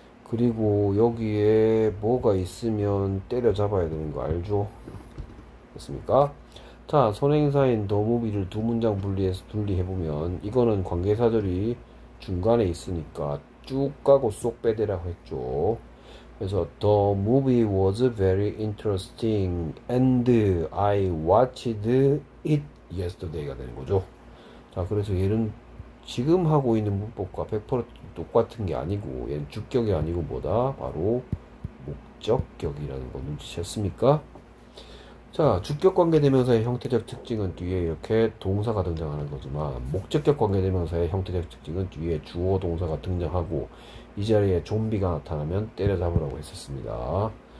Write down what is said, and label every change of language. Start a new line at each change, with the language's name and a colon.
Korean: 그리고 여기에 뭐가 있으면 때려잡아야 되는 거 알죠? 됐습니까? 자, 선행사인 the movie를 두 문장 분리해서 분리해보면 이거는 관계사절이 중간에 있으니까 쭉 가고 쏙 빼대라고 했죠. 그래서
English: the movie was very interesting and I watched it yesterday
Korean: 가 되는 거죠. 자, 그래서 얘는 지금 하고 있는 문법과 100% 똑같은 게 아니고 얘는 주격이 아니고 뭐다? 바로 목적격이라는 거 눈치챘습니까? 자, 주격 관계대명사의 형태적 특징은 뒤에 이렇게 동사가 등장하는 거지만 목적격 관계대명사의 형태적 특징은 뒤에 주어 동사가 등장하고 이 자리에 좀비가 나타나면 때려잡으라고 했었습니다.